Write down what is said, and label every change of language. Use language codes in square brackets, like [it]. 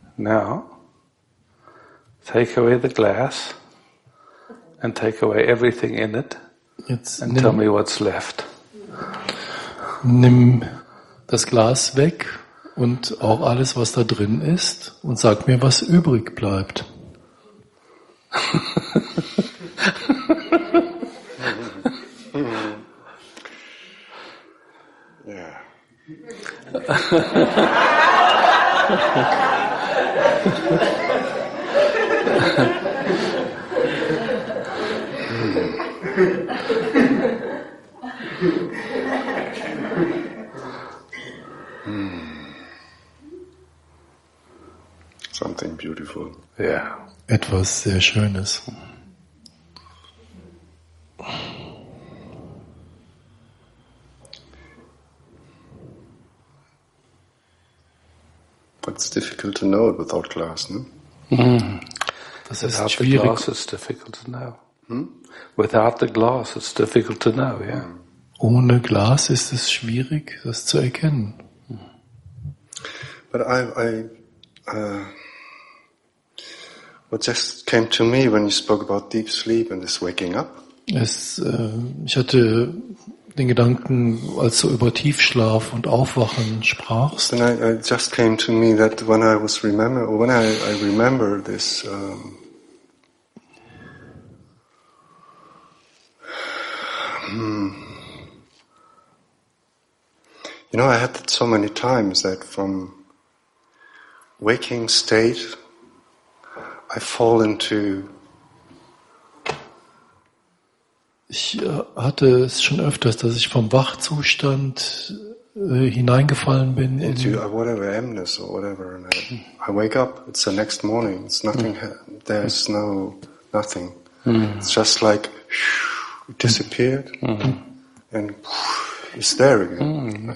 [en] Now take away the glass and take away everything in it. [de] Jetzt [en] and tell me what's left. [de] Nimm das Glas weg und auch alles, was da drin ist, und sag mir, was übrig bleibt. [en] Something beautiful. Yeah. [de] Etwas sehr Schönes. [en] But it's difficult to know it without glass, ne? [de] Das ist [en] without [de] schwierig. [en] Without the glass, it's difficult to know. Without the glass, it's difficult to know, yeah. [de] Ohne Glas ist es schwierig, das zu erkennen. [en] But what just came to me when you spoke about deep sleep and this waking up? [de] Ich hatte den Gedanken, als du über Tiefschlaf und Aufwachen sprachst. [en] And I just came to me that when I was remember, or when I remember this, you know, I had that so many times that from waking state, I fall into. [de] Ich hatte es schon öfters, dass ich vom Wachzustand hineingefallen bin. [en] Into whatever amnesia or whatever, and I wake up. It's the next morning. It's nothing. There's no nothing. It's just like it disappeared, and it's there again.